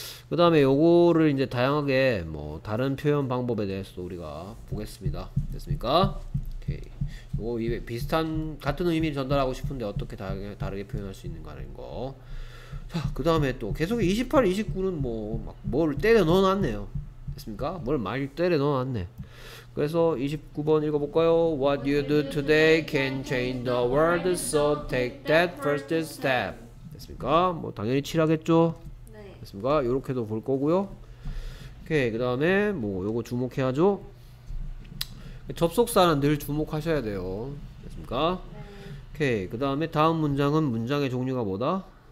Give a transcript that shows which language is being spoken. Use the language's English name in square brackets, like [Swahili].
[Korean] 그 다음에 요거를 이제 다양하게 뭐 다른 표현 방법에 대해서도 우리가 보겠습니다. 됐습니까? 오케이. 요거 비슷한 같은 의미를 전달하고 싶은데 어떻게 다르게 표현할 수 있는가라는 거. 자, 그 다음에 또 계속 28, 29는 뭐막뭘 때려 넣어놨네요. 됐습니까? 뭘 많이 때려 넣어놨네. 그래서 29번 읽어볼까요? [English] What you do today can change the world, so take that first step. [Korean] 됐습니까? 뭐 당연히 칠하겠죠? 됐습니까? 이렇게도 볼 거고요. 오케이, 그 다음에 뭐 요거 주목해야죠. 접속사는 늘 주목하셔야 돼요. 됐습니까? 오케이, 그 다음에 다음 문장은 문장의 종류가 뭐다?